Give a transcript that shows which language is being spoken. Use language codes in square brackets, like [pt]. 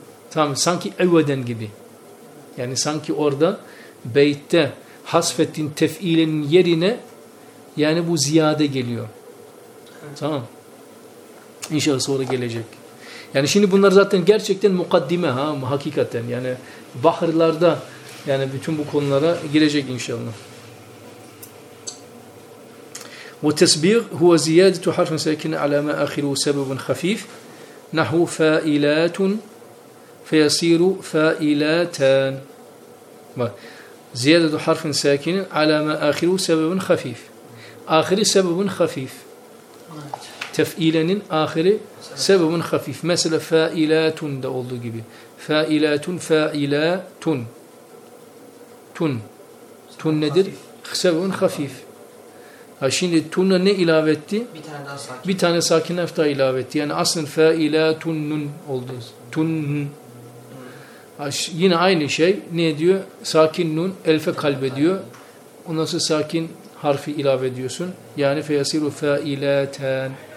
[tr] Tamam sanki evveden gibi. Yani sanki orada beytte hasfettiğin tef'ilenin yerine yani bu ziyade geliyor. Tamam. İnşallah sonra gelecek. Yani şimdi bunlar zaten gerçekten mukaddime ha hakikaten. Yani bahırlarda yani bütün bu konulara girecek inşallah. [ar] والتسبيغ هو زيادة حرف ساكن على ما آخره سبب خفيف نحو فائلات فيصير فائلاتان زيادة حرف ساكن على ما آخره سبب خفيف آخر سبب خفيف تفئيلا آخر سبب خفيف مثلا فائلات [tr] ده olduğu gibi [ar] فائلات فائلات تن تن [tr] nedir [ar] سبب خفيف. [tr] Ha şimdi tunna ne ilave etti? Bir tane daha sakin. Bir tane sakin harf daha ilave etti. Yani aslında fa'ilatunun oldu. Tun. Ha yine aynı şey. Ne diyor? Sakin nun elfe kalbediyor. Ondan sonra sakin harfi ilave ediyorsun. Yani feyasiru fa'ilatan.